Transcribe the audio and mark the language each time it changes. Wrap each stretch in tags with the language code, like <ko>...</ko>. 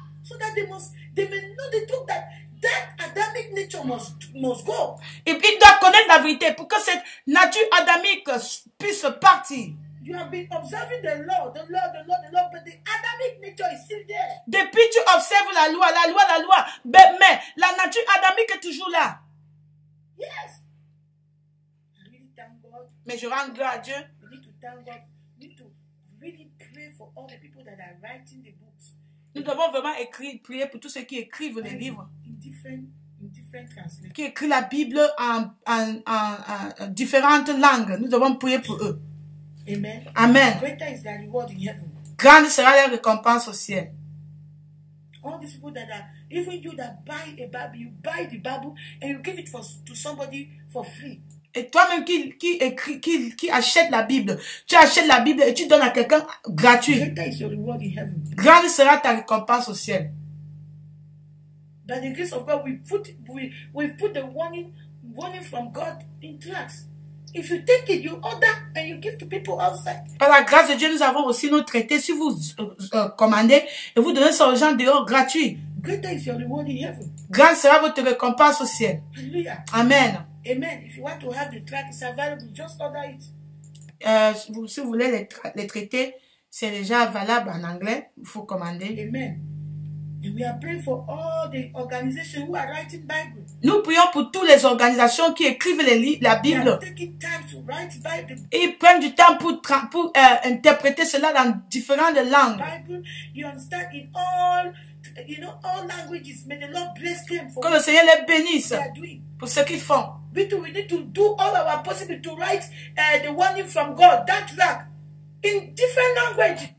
<en>So that they may know the truth that that Adamic nature must go.</en> <fr>Et il doit connaître la vérité pour que cette nature adamique puisse partir.</fr> <en>You have been observing the law, but the Adamic nature is still there.</en> <fr>Depuis tu observes la loi, mais la nature adamique est toujours là.</fr> <en>Yes. Really thank God.</en> <fr>Mais je rends grâce à Dieu.</fr> <en>We need to thank God. We need to really pray for all the people that are writing the books.</en> <fr>Nous devons vraiment écrire, prier pour tous ceux qui écrivent les livres.</fr> <en>In different translations.</en> <fr>Qui écrit la Bible en différentes langues. Nous devons prier pour eux. Amen. Amen.</fr> <en>Greater is the reward in heaven.</en> <fr>Grande sera la récompense au ciel.</fr> <en>All these people that are, even you that buy a Bible, you buy the Bible and you give it to somebody for free.</en> <fr>Et toi-même qui achète la Bible, tu achètes la Bible et tu donnes à quelqu'un gratuit. Grande sera ta récompense au ciel.</fr> <en>By the grace of God, we put the warning from God in tracts. If you take it, you order and you give to people outside.</en> <fr>Par la grâce de Dieu, nous avons aussi nos traités. Si vous commandez et vous donnez ça aux gens dehors gratuit.</fr> <en>Greater is your reward in heaven.</en> <fr>Grande sera votre récompense au ciel. Alléluia. Amen. Amen.</fr> <en>If you want to have the tract, it's available. Just order it.</en> <fr>Si vous voulez les traités, c'est déjà valable en anglais. Il faut commander. Amen.</fr> <en>And we are praying for all the organizations who are writing Bible.</en> <fr>Nous prions pour toutes les organisations qui écrivent la Bible.</fr> <en>They are taking time to write Bible.</en> <fr>Et ils prennent du temps pour interpréter cela dans différentes langues.</fr> <en>Bible, you understand in all, you know, all languages. May the Lord bless them for.</en> <fr>Que le Seigneur les bénisse pour ce qu'ils font.</fr> <en>We too, we need to do all our possible to write the warning from God, that track, in different languages.</en>